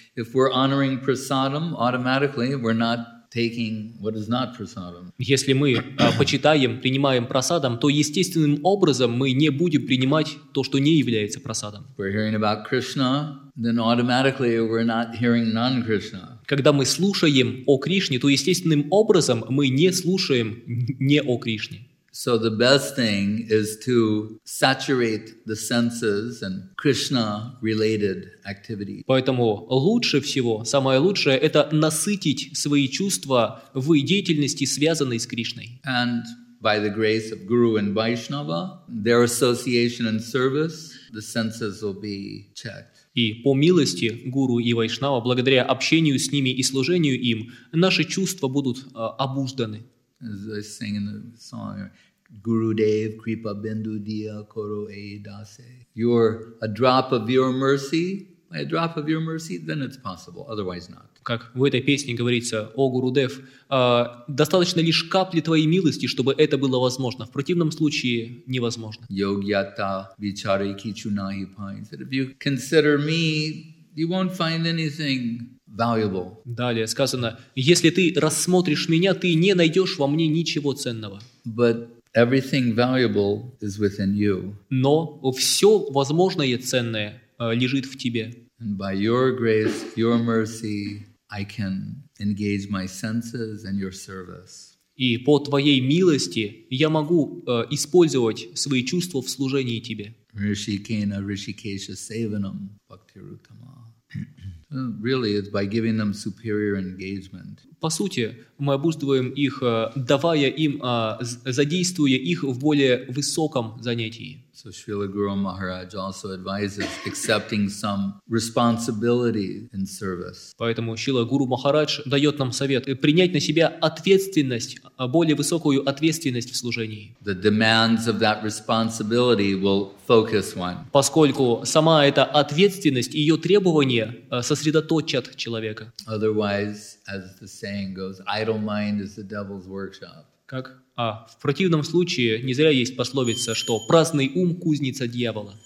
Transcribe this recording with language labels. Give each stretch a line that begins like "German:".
English: If we're honoring prasadam, automatically we're not taking what is not prasadam.
Russian: Если мы почитаем, принимаем прасадам, то естественным образом мы не будем принимать то, что не является прасадам.
English: We're hearing about Krishna, then automatically we're not hearing non-Krishna.
Russian: Когда мы слушаем о Кришне, то естественным образом мы не слушаем не о Кришне.
English: So the best thing is to saturate the senses and Krishna-related activity.
Russian: Поэтому лучше всего, самое лучшее, это насытить свои чувства в деятельности, связанной с Кришной.
English: And by the grace of Guru and Vaishnava, their association and service, the senses will be checked.
Russian: И по милости Гуру и Вайшнава, благодаря общению с ними и служению им, наши чувства будут обузданы.
English: As I sing in the song,
Bangla: Guru Dev Kripa Bindu Diya Koro E Dase.
English: You're a drop of your mercy. By a drop of your mercy, then it's possible. Otherwise not.
Russian: Как в этой песне говорится, о Гуру Дев, достаточно лишь капли твоей милости, чтобы это было возможно. В противном случае невозможно.
Bangla: Йогьята вичари кичу нахи пай.
English: If you consider me, you won't find anything valuable.
Russian: Далее сказано, если ты рассмотришь меня, ты не найдешь во мне ничего ценного.
English: But everything valuable is within you.
Russian: Но все возможное ценное лежит в тебе.
English: And by your grace, your mercy, I can engage my senses and your service.
Russian: И по твоей милости я могу использовать свои чувства в служении тебе.
Sanskrit: Ришикена ришикеша севанам бхактирутама.
English: Really, it's by giving them superior engagement.
Russian: По сути, мы обуздываем их, давая им, задействуя их в более высоком занятии.
English: So Srila Guru Maharaj also advises accepting some responsibility in service.
Russian: Поэтому Шрила Гуру Махарадж дает нам совет принять на себя ответственность, более высокую ответственность в служении.
English: The demands of that responsibility will focus one.
Russian: Поскольку сама эта ответственность и ее требования сосредоточат человека.
English: Otherwise, as the saying goes, idle mind is the devil's workshop.
Russian: Как? А в противном случае не зря есть пословица, что праздный ум – кузница дьявола.